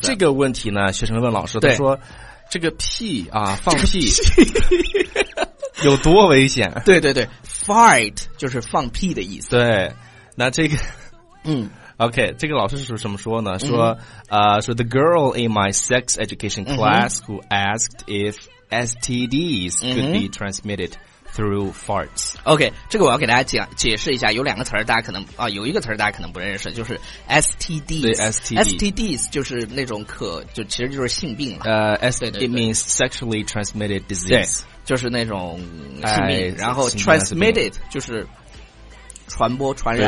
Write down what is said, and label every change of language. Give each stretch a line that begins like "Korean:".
Chinese: 这个问题呢，学生问老师，他说这个屁啊，放屁有多危险？对对对。 Fart 就是放屁的意思。对，那这个，嗯，OK， 这个老师是什么说呢？说，说
English: the girl in my sex education class、嗯、 who asked if STDs could be transmitted through farts。
Chinese: OK， 这个我要给大家解释一下，有两个词儿大家可能啊，有一个词儿大家可能不认识，就是 STDs。对 ，STDs 就是那种其实就是性病了。
English: It means sexually transmitted disease。
Chinese: 就是那种性病，然后 transmitted 就是传播传染，